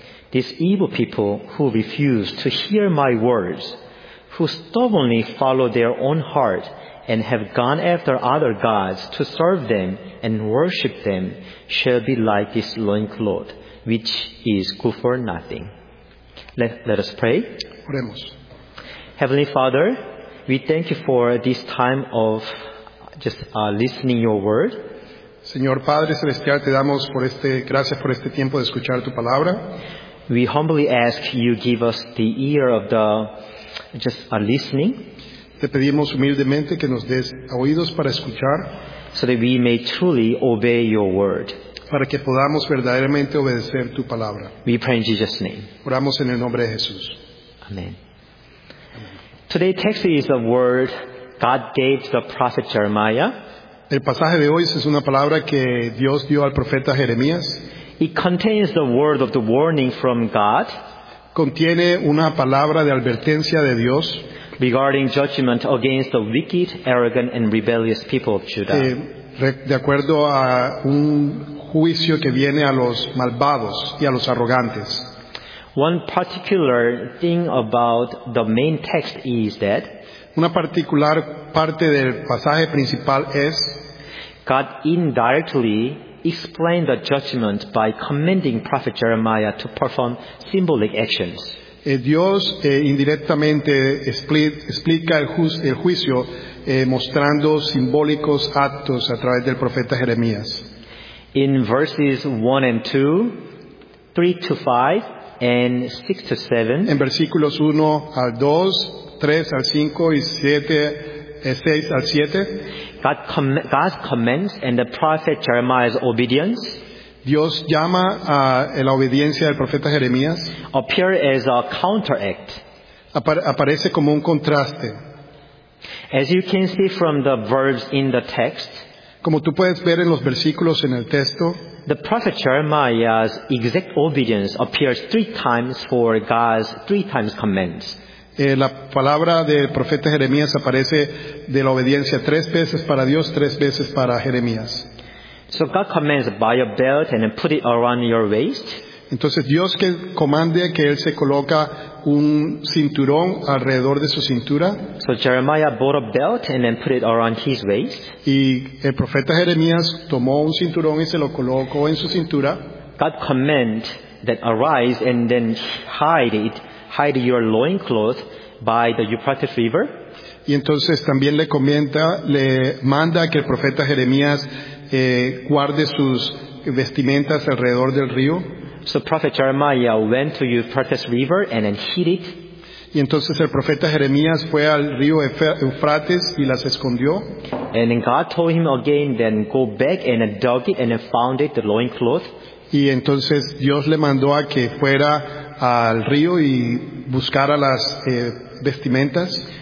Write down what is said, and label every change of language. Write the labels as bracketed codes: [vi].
[en] These evil people who refuse to hear my words, who stubbornly follow their own heart and have gone after other gods to serve them and worship them, shall be like this loincloth, which is good for nothing. Let us pray. [es] Oremos. [en] Heavenly Father, we thank you for this time of just listening your word. [es] Señor Padre Celestial, te damos gracias por este tiempo de escuchar tu palabra. [en] We humbly ask you give us the ear of the listening. [es] Te pedimos humildemente que nos des oídos para escuchar. [en] So that we may truly obey your word. [es] Para que podamos verdaderamente obedecer tu palabra. [en] We pray in Jesus' name. [es] Oramos en el nombre de Jesús. [en] Amen. Today's text is a word God gave to the prophet Jeremiah. [es] El pasaje de hoy es una palabra que Dios dio al profeta Jeremías. [en] It contains the word of the warning from God. [es] Contiene una palabra de advertencia de Dios. [en] Regarding judgment against the wicked, arrogant, and rebellious people of Judah. [es] De acuerdo a un juicio que viene a los malvados y a los arrogantes. [en] One particular thing about the main text is that [es] una particular parte del pasaje principal es [en] God indirectly explained the judgment by commanding Prophet Jeremiah to perform symbolic actions. [es] Dios indirectamente explica el juicio mostrando simbólicos actos a través del profeta Jeremías. [en] In verses 1 and 2, 3 to 5, and 6 to 7. [es] En versículos 1 al 2, 3 al 5, y 6 al 7. [en] God commands and the prophet Jeremiah's obedience. [es] Dios llama a la obediencia del profeta Jeremías. [en] Appear as a counteract. [es] Aparece como un contraste. [en] As you can see from the verbs in the text. [es] Como tú puedes ver en los versículos en el texto, [en] the prophet Jeremiah's exact obedience appears three times for God's three times commands. [es] La palabra del profeta Jeremías aparece de la obediencia 3 veces para Dios, 3 veces para Jeremías. [en] So God commands buy a belt and put it around your waist. [es] Entonces Dios que comande que él se coloca un cinturón alrededor de su cintura. [en] So Jeremiah bought a belt and then put it around his waist. [es] Y el profeta Jeremías tomó un cinturón y se lo colocó en su cintura. [en] God command that arise and then hide it, hide your loincloth by the Euphrates River. [es] Y entonces también le comenta, le manda que el profeta Jeremías guarde sus vestimentas alrededor del río. [en] So Prophet Jeremiah went to Euphrates River and then hid it. [es] Y entonces el profeta Jeremías fue al río Eufrates y las escondió. [en] And then God told him again, then go back and dug it and found it, the loincloth. [es] Y entonces Dios le mandó a que fuera al río y buscara las vestimentas.